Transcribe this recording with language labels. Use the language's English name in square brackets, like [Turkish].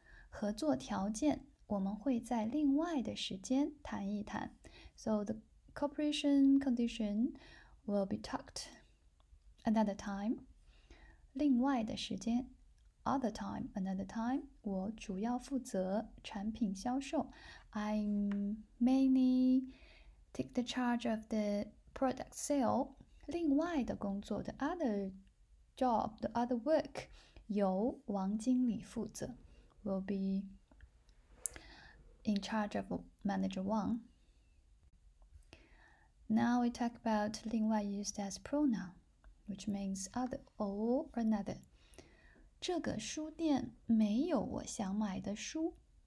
[Chinese] 合作条件，我们会在另外的时间谈一谈。 [English] So the cooperation condition will be talked another time. [Chinese] 另外的时间 [English] ，other time, another time. [Chinese] 我主要负责产品销售。 [English] I mainly take the charge of the product sale. [Chinese] 另外的工作 [English] the other. Job, the other work, [Chinese] 由王经理负责 [English] will be in charge of manager Wang. Now we talk about 另外 used as pronoun, which means other or another. [Chinese] 这个书店没有我想买的书。